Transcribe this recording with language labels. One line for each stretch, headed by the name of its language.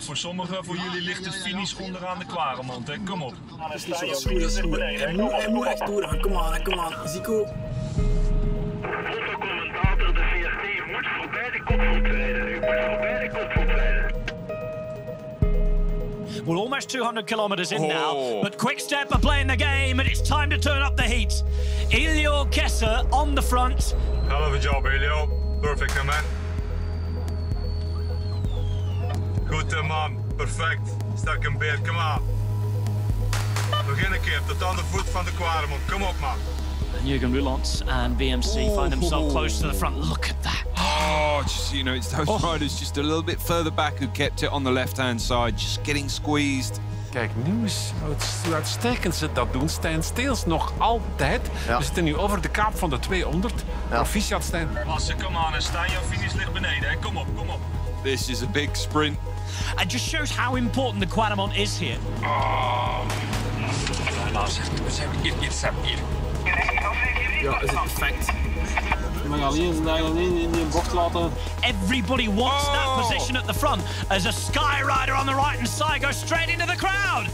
Dutch: Voor sommigen, voor jullie ligt de finish onderaan de Klaremont, hè. Kom op. Dat is niet zo goed, dat is goed. Hij moet echt doorgaan. Kom aan, kom aan. Zico. Fotocommentator, de VRT moet voorbij de kop rijden.
English: We're almost 200 kilometers in now. But Quickstep are playing the game and it's time to turn up the heat. Elio Kesser on the front. Hell of a job, Elio. Perfect, man.
Dutch: Goed, man. Perfect. Sterk een beer. Kom aan. Begin een keer. Tot aan de voet van de Quaremont. Kom op, man.
English: Jürgen Roulant en BMC find themselves close to the front. Look at that. Oh, just, you know, it's those riders just a little bit further back who kept it on the left-hand side. Just getting squeezed.
Dutch: Kijk, nieuws. Hoe uitstekend ze dat doen. Stijn Steels nog altijd. Ja. We zitten nu over de kaap van de 200. Ja. Proficiat, Stijn. Lasse, kom aan. Stijn, jouw finish ligt beneden. Hè. Kom op, kom op.
English: This is a big sprint. It just shows how important the Quaremont is here.
Dutch: Oh. Lars, we zijn hier. Ja, is het perfect?
English: Everybody wants that position at the front as a Sky Rider on the right and side goes straight into the crowd.